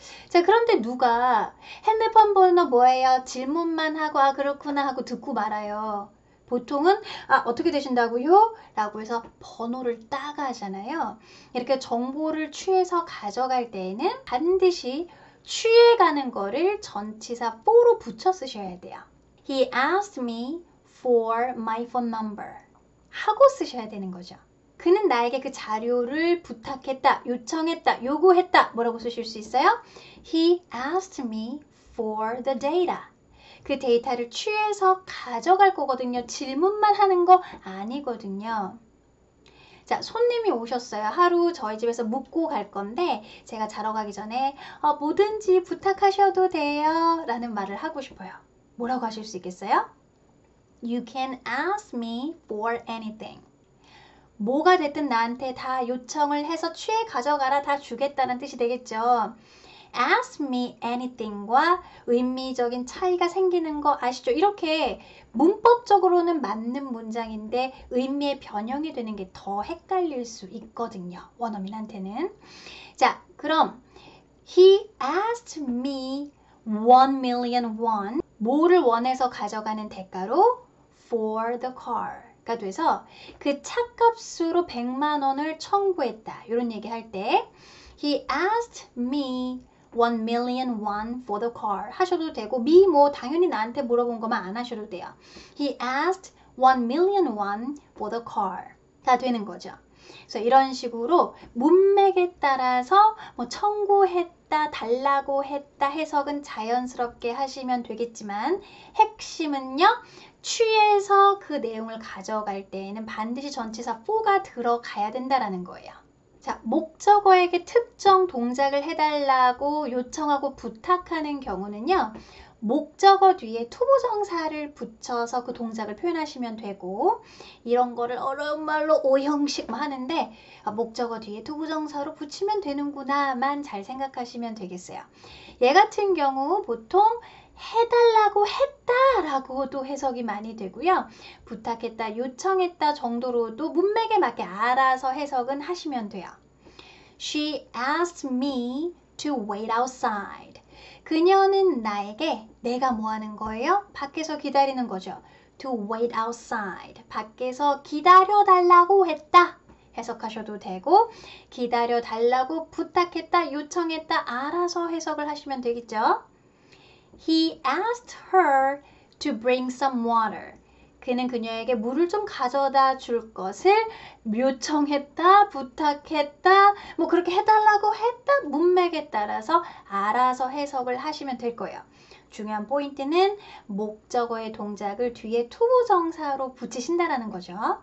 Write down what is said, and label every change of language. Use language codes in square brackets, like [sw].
[ko] 자, 그런데 누가 핸드폰 번호 뭐예요? 질문만 하고 아 그렇구나 하고 듣고 말아요. 보통은 아 어떻게 되신다고요? 라고 해서 번호를 따가 하잖아요. 이렇게 정보를 취해서 가져갈 때에는 반드시 취해가는 거를 전치사 for로 붙여 쓰셔야 돼요. [en] He asked me for my phone number [ko] 하고 쓰셔야 되는 거죠. 그는 나에게 그 자료를 부탁했다, 요청했다, 요구했다 뭐라고 쓰실 수 있어요? [en] He asked me for the data. [ko] 그 데이터를 취해서 가져갈 거거든요. 질문만 하는 거 아니거든요. 자, 손님이 오셨어요. 하루 저희 집에서 묵고 갈 건데 제가 자러 가기 전에 뭐든지 부탁하셔도 돼요 라는 말을 하고 싶어요. 뭐라고 하실 수 있겠어요? [en] You can ask me for anything. [ko] 뭐가 됐든 나한테 다 요청을 해서 취해 가져가라 다 주겠다는 뜻이 되겠죠. [en] Ask me anything [ko] 과 의미적인 차이가 생기는 거 아시죠? 이렇게 문법적으로는 맞는 문장인데 의미의 변형이 되는 게 더 헷갈릴 수 있거든요. 원어민한테는. 자, 그럼 [en] He asked me 1,000,000 won. [ko] 뭐를 원해서 가져가는 대가로 [en] for the car. [ko] 돼서 그 차값으로 100만 원을 청구했다. 이런 얘기 할 때 [en] He asked me 1,000,000 won for the car [ko] 하셔도 되고 me 뭐 당연히 나한테 물어본 것만 안 하셔도 돼요. [en] He asked 1,000,000 won for the car [ko] 다 되는 거죠. 그래서 이런 식으로 문맥에 따라서 뭐 청구했다, 달라고 했다 해석은 자연스럽게 하시면 되겠지만 핵심은요. 취해서 그 내용을 가져갈 때에는 반드시 전치사 for가 들어가야 된다라는 거예요. 자, 목적어에게 특정 동작을 해달라고 요청하고 부탁하는 경우는요. 목적어 뒤에 to 부정사를 붙여서 그 동작을 표현하시면 되고 이런 거를 어려운 말로 5형식 하는데 목적어 뒤에 to 부정사로 붙이면 되는구나만 잘 생각하시면 되겠어요. 얘 같은 경우 보통 해달라고 했다라고도 해석이 많이 되고요. 부탁했다, 요청했다 정도로도 문맥에 맞게 알아서 해석은 하시면 돼요. [en] She asked me to wait outside. [ko] 그녀는 나에게 내가 뭐 하는 거예요? 밖에서 기다리는 거죠. [en] To wait outside. [ko] 밖에서 기다려달라고 했다. 해석하셔도 되고 기다려달라고 부탁했다, 요청했다 알아서 해석을 하시면 되겠죠. [en] He asked her to bring some water. [ko] 그는 그녀에게 물을 좀 가져다 줄 것을 요청했다, 부탁했다, 뭐 그렇게 해달라고 했다 문맥에 따라서 알아서 해석을 하시면 될 거예요. 중요한 포인트는 목적어의 동작을 뒤에 to 부정사로 붙이신다라는 거죠.